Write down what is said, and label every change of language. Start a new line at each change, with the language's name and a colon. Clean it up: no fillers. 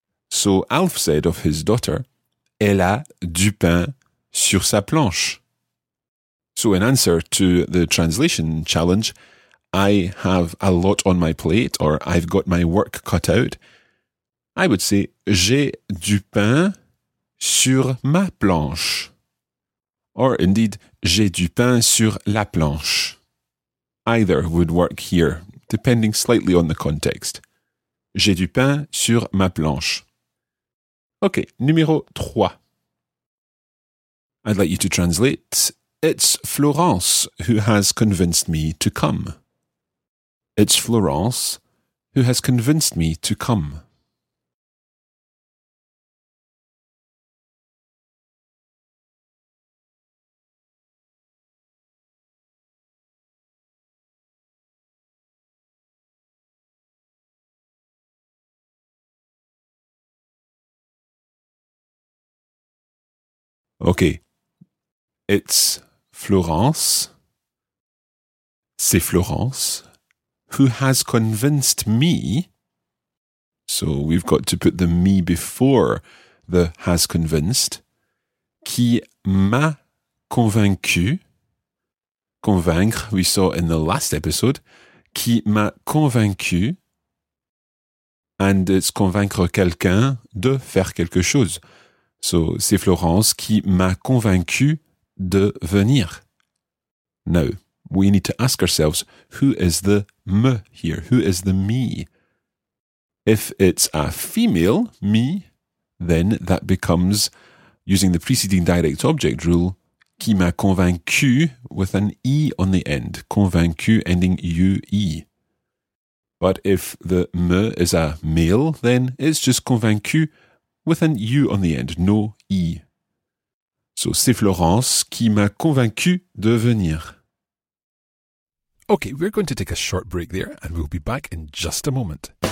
English: So Alf said of his daughter,
French: elle a du pain sur sa planche.
English: So in answer to the translation challenge, I have a lot on my plate, or I've got my work cut out, I would say,
French: j'ai du pain sur ma planche.
English: Or indeed,
French: j'ai du pain sur la planche.
English: Either would work here, depending slightly on the context.
French: J'ai du pain sur ma planche.
English: Okay, numéro 3. I'd like you to translate It's Florence who has convinced me to come. It's Florence who has convinced me to come. Okay. It's Florence.
French: C'est
English: Florence who has convinced me. So we've got to put the me before the has convinced.
French: Qui m'a convaincu.
English: Convaincre, we saw in the last episode.
French: Qui m'a convaincu.
English: And it's
French: convaincre quelqu'un de faire quelque chose. So, c'est Florence qui m'a convaincu de venir.
English: Now, we need to ask ourselves, who is the me here? Who is the me? If it's a female, me, then that becomes, using the preceding direct object rule,
French: qui m'a convaincu
English: with an e on the end, convaincu ending u-e. But if the me is a male, then it's just convaincu with an U on the end, no I.
French: So, c'est Florence qui m'a convaincu de venir.
English: Okay, we're going to take a short break there and we'll be back in just a moment.